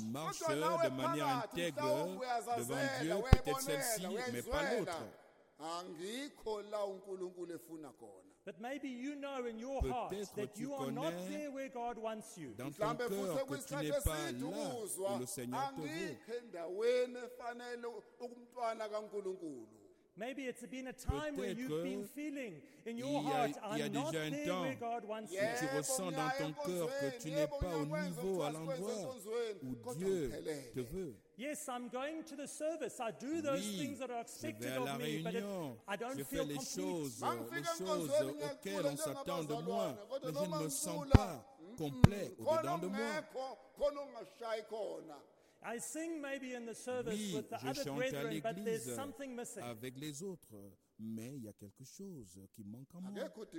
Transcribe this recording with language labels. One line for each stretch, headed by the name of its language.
French: Marche de manière intègre devant Dieu, peut-être celle-ci, mais pas l'autre.
English: But maybe you know in your heart
French: peut-être
English: that you are not there where God wants you.
French: Dans ton cœur que tu n'es pas là où le Seigneur te veut.
English: Maybe it's been a time
French: peut-être
English: where you've been feeling in your heart, I'm not there where God wants you.
French: Tu ressens dans ton cœur que tu n'es pas au niveau, à l'endroit où Dieu te veut.
English: Yes, I'm going to the service. I do those things that are expected of me,
French: la réunion,
English: but I don't
French: je
English: feel complete.
French: Les choses auxquelles on s'attend de moi, mais je ne me sens pas complet au-dedans de moi.
English: I sing maybe in the service with the other brethren, but there's something missing.
French: Avec les autres, mais il y a quelque chose qui manque en moi.